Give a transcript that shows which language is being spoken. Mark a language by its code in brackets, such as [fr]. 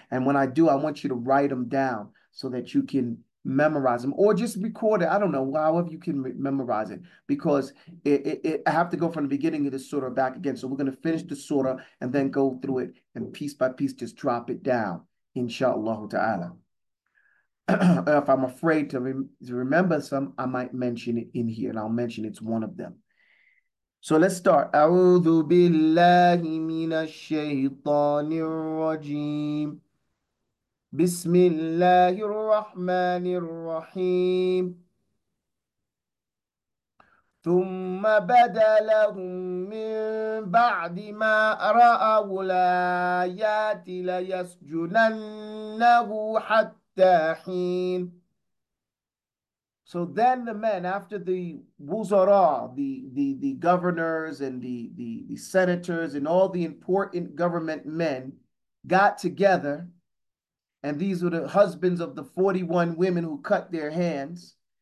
[en] And when I do, I want you to write them down so that you can memorize them or just record it. I don't know, however you can memorize it, because I have to go from the beginning of this surah back again. So we're going to finish the surah and then go through it and piece by piece, just drop it down, inshallah ta'ala. If I'm afraid to remember some, I might mention it in here, and I'll mention it's one of them. So let's start. [ar] أعوذ بالله من الشيطان الرجيم. بسم الله الرحمن الرحيم. ثم بدا لهم من بعد ما رأوا الآيات ليسجننه حتى حين. [en] So then the men, after the wuzara, the governors and the senators and all the important government men got together, and these were the husbands of the 41 women who cut their hands.